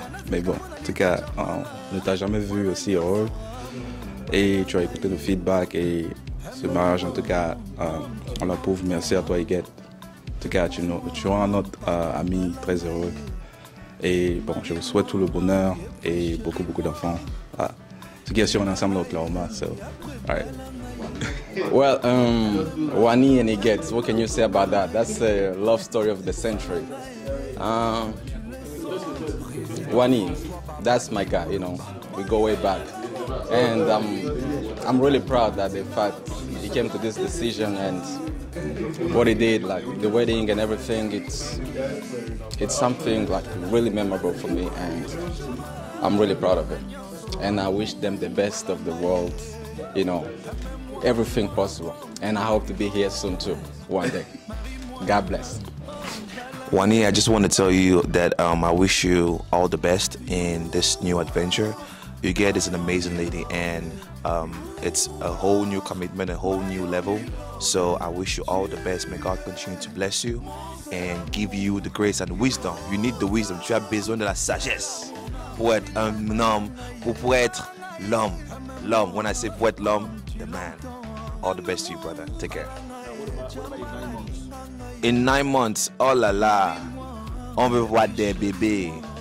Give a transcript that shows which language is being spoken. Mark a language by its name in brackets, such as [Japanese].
[French] Mais bon, en tout cas, on ne t'a jamais vu aussi heureux. Et tu as écouté nos feedbacks et ce mariage, en tout cas, on l'approuve. Merci à toi, Huguette. En tout cas, tu rends notre ami très heureux. Et bon, je vous souhaite tout le bonheur et beaucoup, beaucoup d'enfants. Ah. To get you on ensemble Oklahoma, so, all right. [English] Well, Wany and Huguette, what can you say about that? That's a love story of the century. Wany, that's my guy, you know. We go way back. And I'm really proud that the fact he came to this decision and what he did, like the wedding and everything, it's something like really memorable for me, and I'm really proud of it. And I wish them the best of the world, you know, everything possible. And I hope to be here soon too, one day. God bless. Wani, I just want to tell you that I wish you all the best in this new adventure. HUGUETTE is an amazing lady, and it's a whole new commitment, a whole new level. So I wish you all the best. May God continue to bless you and give you the grace and wisdom. You need the wisdom. [French] Tu as besoin de la sagesse pour être un homme, pour être l'homme. L'homme. [English] When I say [French] pour être l'homme, [English] the man. All the best to you, brother. Take care. In 9 months, [French] oh la la, on veut voir des bébés.